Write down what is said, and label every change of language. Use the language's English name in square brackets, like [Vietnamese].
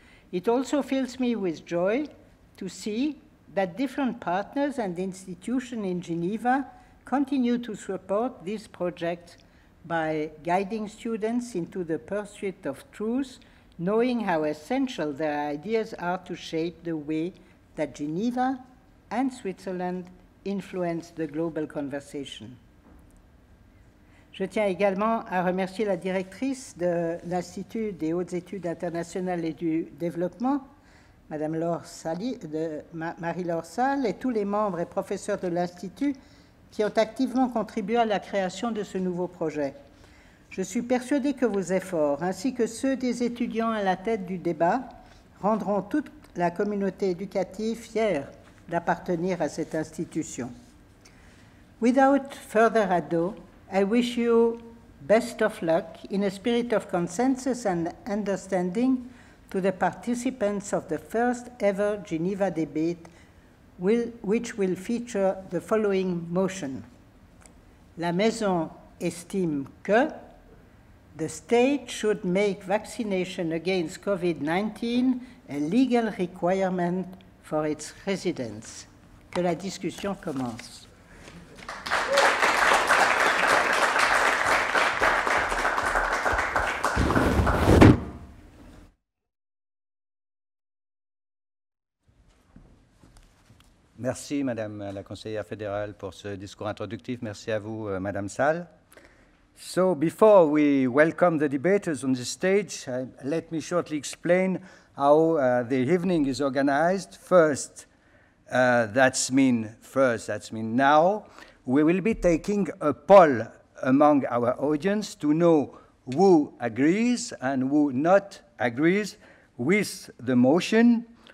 [English] It also fills me with joy to see that different partners and institutions in Geneva continue to support this project by guiding students into the pursuit of truth, knowing how essential their ideas are to shape the way that Geneva and Switzerland influence the global conversation. [French] Je tiens également à remercier la directrice de l'Institut des hautes études internationales et du développement, Madame Laure Sally, de Marie-Laure Salle, et tous les membres et professeurs de l'Institut qui ont activement contribué à la création de ce nouveau projet. Je suis persuadée que vos efforts, ainsi que ceux des étudiants à la tête du débat, rendront toute la communauté éducative fière d'appartenir à cette institution. [English] Without further ado, I wish you best of luck in a spirit of consensus and understanding to the participants of the first ever Geneva debate, which will feature the following motion. [French] La Maison estime que [English] the state should make vaccination against COVID-19 a legal requirement for its residents. [French] Que la discussion commence. Merci, Madame la Conseillère fédérale, pour ce discours introductif. Merci à vous, Madame Salle. [English] So, before we welcome the debaters on the stage, let me shortly explain how the evening is organized. First, that means now, we will be taking a poll among our audience to know who agrees and who not agrees with the motion.